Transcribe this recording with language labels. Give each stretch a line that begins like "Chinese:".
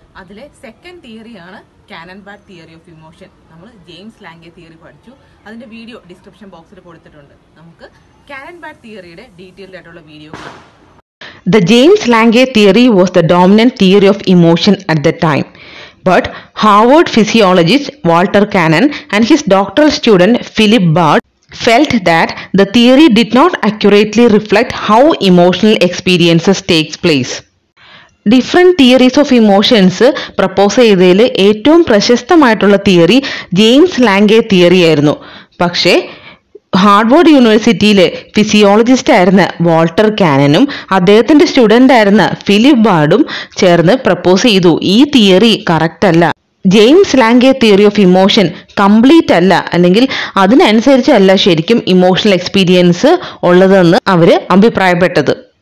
Malayalam: അതിലെ second തിയറിയാണ് Canon bad theory of emotion. നമ്മൾ James ലാംഗെ theory പഠിച്ചു. അതിന്റെ വീഡിയോ ഡിസ്ക്രിപ്ഷൻ ബോക്സിൽ കൊടുത്തിട്ടുണ്ട്. നമുക്ക് കാനൺ ബാഡ് തിയറിയുടെ ഡീറ്റെയിൽഡ് ആയിട്ടുള്ള video.
English: The James Lange theory was the dominant theory of emotion at the time. But Harward physiologist Walter Cannon and his doctoral student Philip Bard felt that the theory did not accurately reflect how emotional experiences takes place. Different theories of emotions
Malayalam: propose ചെയ്തതിൽ ഏറ്റവും പ്രശസ്തമായിട്ടുള്ള theory James ലാംഗെ theory ആയിരുന്നു. പക്ഷേ Harvard യൂണിവേഴ്സിറ്റിയിലെ physiologist ആയിരുന്ന Walter കാനനും അദ്ദേഹത്തിന്റെ student ആയിരുന്ന Philip ബാർഡും ചേർന്ന് പ്രപ്പോസ് ചെയ്തു ഈ തിയറി കറക്റ്റ് അല്ല, James ലാംഗെ theory of emotion complete അല്ല, അല്ലെങ്കിൽ അതിനനുസരിച്ചല്ല ശരിക്കും ഇമോഷണൽ എക്സ്പീരിയൻസ് ഉള്ളതെന്ന് അവർ അഭിപ്രായപ്പെട്ടത്.